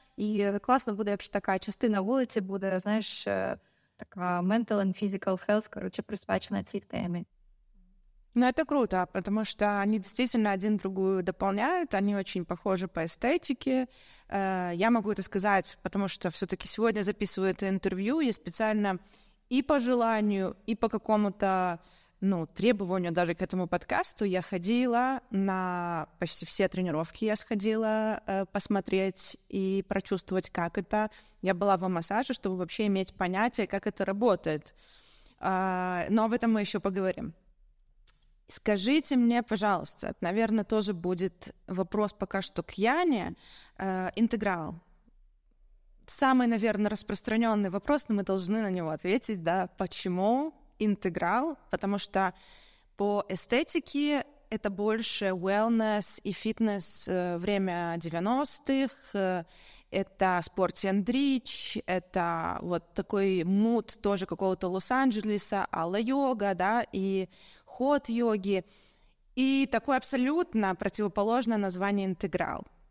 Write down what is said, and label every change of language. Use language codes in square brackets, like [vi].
[uk] І класно буде, якщо така частина вулиці буде, знаєш, така [en] mental and physical health, [uk] короче, присвячена цій темі. Ну, це круто, тому що вони дійсно один другу доповнюють, вони дуже схожі по естетиці. Я можу це сказати, тому що все-таки сьогодні записую це інтерв'ю, я спеціально [ru] и по желанию, и по какому-то, ну, требованию даже к этому подкасту я ходила на почти все тренировки, я сходила посмотреть и прочувствовать, как это. Я была в массаже, чтобы вообще иметь понятие, как это работает. Но об этом мы еще поговорим. Скажите мне, пожалуйста, наверное, тоже будет вопрос пока что к Яне. Интеграл. Самый, наверное, распространенный вопрос, но мы должны на него ответить, да, почему интеграл? Потому что по эстетике это больше wellness и фитнес время 90-х, это [en] sports and rich, [ru] это вот такой мут тоже какого-то Лос-Анджелеса, ала-йога, да, и хот-йоги, и такое абсолютно противоположное название интеграл.